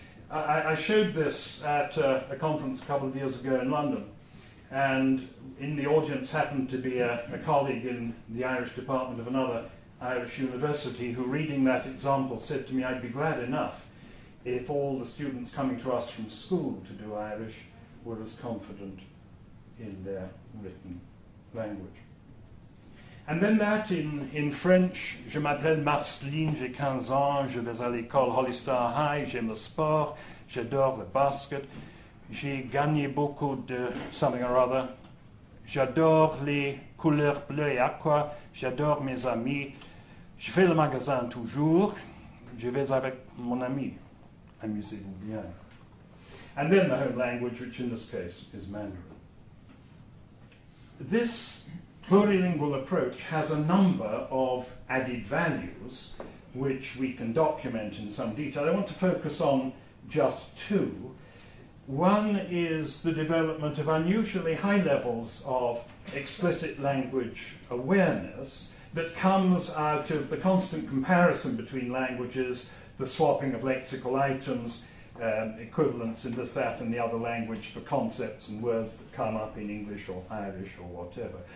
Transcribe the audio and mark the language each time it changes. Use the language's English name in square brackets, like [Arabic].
[English] I showed this at a conference a couple of years ago in London, and in the audience happened to be a colleague in the Irish department of another Irish university who, reading that example, said to me, I'd be glad enough if all the students coming to us from school to do Irish were as confident in their written language. And then that in French, [French] je m'appelle Marceline, j'ai 15 ans, je vais à l'école Holly Star High, j'aime le sport, j'adore le basket, j'ai gagné beaucoup de [English] something or other, [French] j'adore les couleurs bleues et aqua, j'adore mes amis, je fais le magasin toujours, je vais avec mon ami. Amusez vous bien. [English] And then the home language, which in this case is Mandarin. This plurilingual approach has a number of added values which we can document in some detail. I want to focus on just two. One is the development of unusually high levels of explicit language awareness that comes out of the constant comparison between languages, the swapping of lexical items, equivalents in this, that, and the other language for concepts and words that come up in English or Irish or whatever.